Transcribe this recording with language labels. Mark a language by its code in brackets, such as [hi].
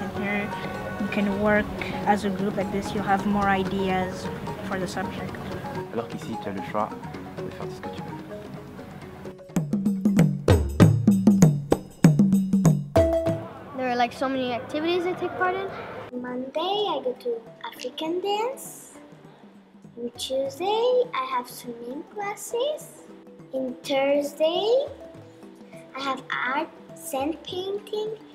[en] And here, you can work as a group like this. You have more ideas for the subject. [fr] Alors qu'ici, tu as le choix de faire tout ce que tu veux. [en] There are like so many activities I take part in. Monday, I go to African dance. On Tuesday, I have swimming classes. On Thursday, I have art, sand painting.